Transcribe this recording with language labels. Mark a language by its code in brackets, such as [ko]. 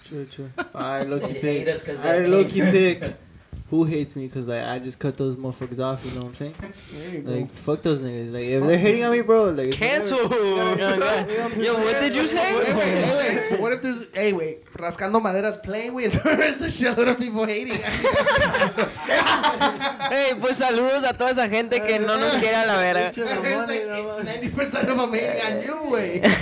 [en] True. I look, you pick. Who hates me? Because, like, I just cut those motherfuckers off, you know what I'm saying? There you go. Like, fuck those niggas. Like, if they're hating on me, bro, like... Cancel! Yo, what did you say? Hey, wait. Rascando Madera's playing with there's a shitload of people hating. [es] Hey, pues saludos a toda esa gente que no nos quiere a la verga. [en] It's like 90% of them hating on you, wey.